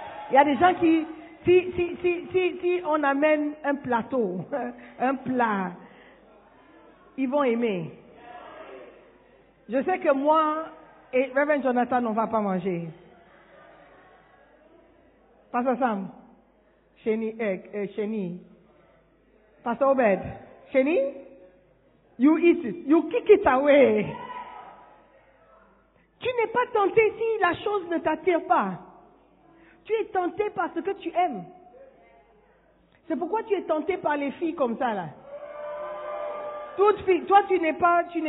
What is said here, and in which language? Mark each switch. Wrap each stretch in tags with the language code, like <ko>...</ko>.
<fr>Il y a des gens qui, si on amène un plateau, un plat, ils vont aimer. Je sais que moi et Reverend Jonathan, on ne va pas manger.</fr> <en>Pastor Sam, Chenny, Pastor Obed, Chenny, you eat it, you kick it away.</en> <fr>Tu n'es pas tenté si la chose ne t'attire pas. Tu es tenté par ce que tu aimes. C'est pourquoi tu es tenté par les filles comme ça là. Toute fille, toi tu n'es pas...</fr>